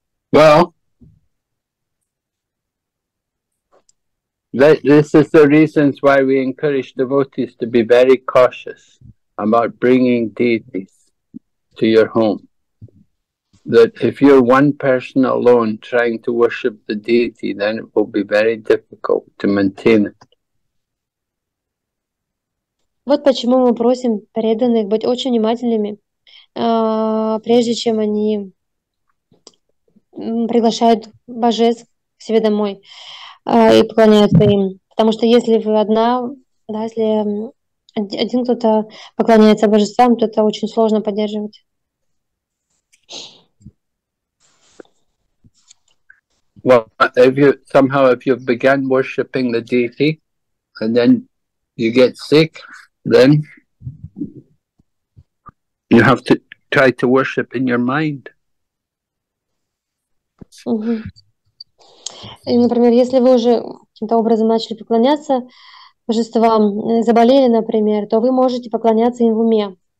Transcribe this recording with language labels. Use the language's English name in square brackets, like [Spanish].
[English] Well, this is the reasons why we encourage devotees to be very cautious about bringing deities to your home. That if you're one person alone trying to worship the deity, then it will be very difficult to maintain it. [Russian] Вот почему мы просим преданных быть очень внимательными, прежде чем они приглашают божеств к себе домой и поклоняются им. Потому что если вы одна, да, если один кто-то поклоняется божествам, то это очень сложно поддерживать. [English] Well, if you somehow if you began worshipping the deity and then you get sick, then you have to try to worship in your mind. [Russian] Угу. И, например, если вы уже каким-то образом начали поклоняться божествам, заболели, например, то вы можете поклоняться им в уме.